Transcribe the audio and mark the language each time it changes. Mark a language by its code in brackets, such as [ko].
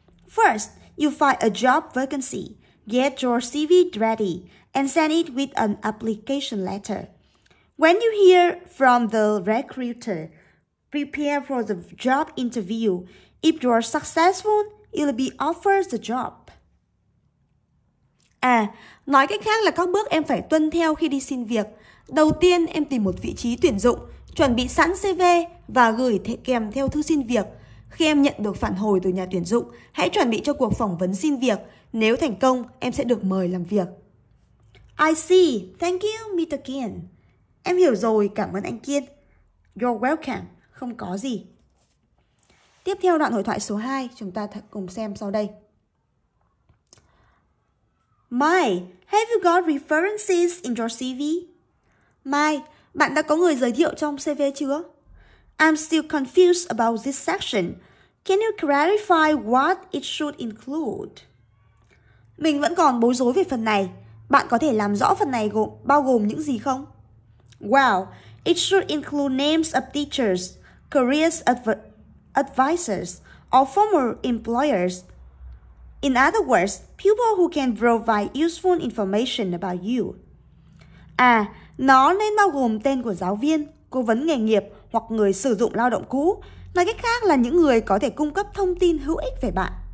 [en] First, you find a job vacancy, get your CV ready, and send it with an application letter. When you hear from the recruiter, prepare for the job interview. If you are successful, you'll be offered the job. [vi] À, nói cách khác là các bước em phải tuân theo khi đi xin việc. Đầu tiên, em tìm một vị trí tuyển dụng, chuẩn bị sẵn CV và gửi kèm theo thư xin việc. Khi em nhận được phản hồi từ nhà tuyển dụng, hãy chuẩn bị cho cuộc phỏng vấn xin việc. Nếu thành công, em sẽ được mời làm việc. [en] I see. Thank you, Mr. Kian. [vi] Em hiểu rồi. Cảm ơn anh Kian. [en] You're welcome. [vi] Không có gì. Tiếp theo đoạn hội thoại số 2, chúng ta cùng xem sau đây. [en] Mai, have you got references in your CV? [vi] Mai, bạn đã có người giới thiệu trong CV chưa? [en] I'm still confused about this section. Can you clarify what it should include? [vi] Mình vẫn còn bối rối về phần này. Bạn có thể làm rõ phần này bao gồm những gì không? [en] Well, it should include names of teachers, career advisors, or former employers. In other words, people who can provide useful information about you. [vi] À, nó nên bao gồm tên của giáo viên, cố vấn nghề nghiệp hoặc người sử dụng lao động cũ, Nói cách khác là những người có thể cung cấp thông tin hữu ích về bạn.